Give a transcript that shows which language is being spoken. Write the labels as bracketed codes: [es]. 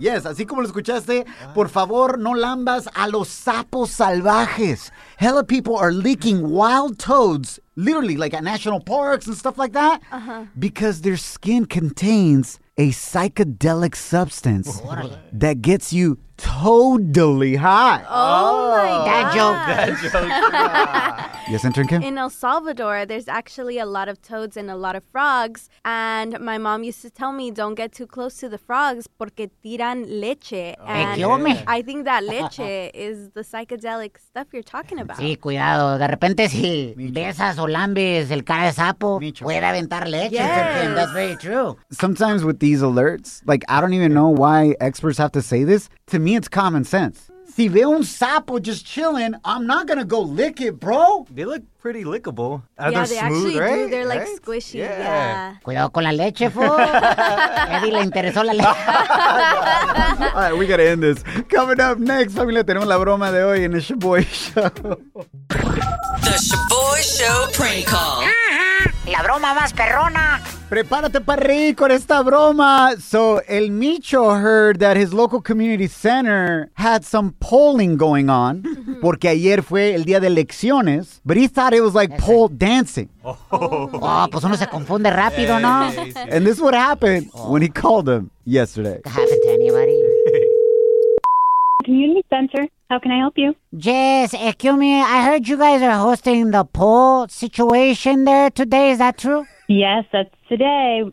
[es] Yes, así como lo escuchaste, por favor, no lambas a los sapos salvajes. [en] Hella people are licking wild toads, literally, like at national parks and stuff like that, because their skin contains a psychedelic substance that gets you totally hot. Oh, oh my God. Dad joke. Dad joke. Yes, intern Kim? In El Salvador, there's actually a lot of toads and a lot of frogs. And my mom used to tell me, don't get too close to the frogs [es] porque tiran leche. [en] Oh, and I think that leche is the psychedelic stuff you're talking about. [es] Sí, cuidado. De repente, si besas o lambes el cara de sapo, puede aventar leche. [en] Yes. Kim, that's very true. Sometimes with these alerts, like, I don't even know why experts have to say this. To me, it's common sense. [es] Si ve un sapo [en] just chilling, I'm not going to go lick it, bro. They look pretty lickable. Yeah, they smooth, actually right? do. They're like right? squishy. Yeah. Yeah. [es] Cuidado con la leche, fool. Eddie le interesó la leche. [en] All right, we got to end this. Coming up next, [es] familia, tenemos la broma de hoy en el Shaboy Show. [en] The Shaboy Show prank call. [es] La broma más perrona. Prepárate para reír con esta broma. [en] So, el Micho heard that his local community center had some polling going on. Mm-hmm. [es] Porque ayer fue el día de elecciones. [en] But he thought it was like pole dancing. [es] Oh, oh, pues uno se confunde rápido, ¿no? [en] And this is what happened when he called him yesterday. It happened to anybody. Community center, how can I help you? Yes, excuse me. I heard you guys are hosting the poll situation there today. Is that true? Yes, that's today.